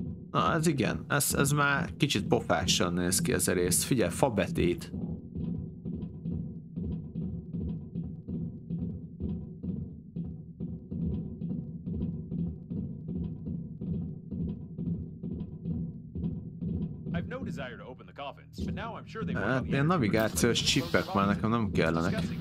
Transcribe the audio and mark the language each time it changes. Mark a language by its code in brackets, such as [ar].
[hu] Na, ez igen, ez már kicsit pofásan néz ki ez a rész. Figyelj, fabetét. [en] I've no desire to open the coffins, but now I'm sure they won't. [hu] Hát, ilyen navigációs csippek már nekem nem kellenek.